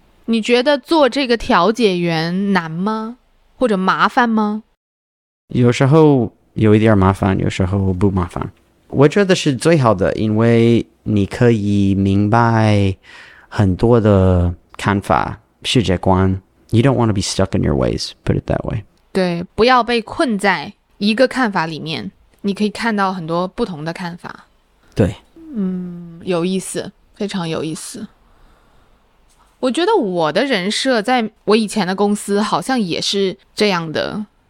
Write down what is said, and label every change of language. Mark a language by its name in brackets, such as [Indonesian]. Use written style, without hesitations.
[Chinese] 你觉得做这个调解员难吗？或者麻烦吗？有时候有一点麻烦，有时候不麻烦。我觉得是最好的，因为你可以明白很多的看法、世界观。 [English] You don't want to be stuck in your ways, put it that way. [Chinese] 对，不要被困在一个看法里面，你可以看到很多不同的看法。对。有意思，非常有意思。我觉得我的人设在我以前的公司好像也是这样的。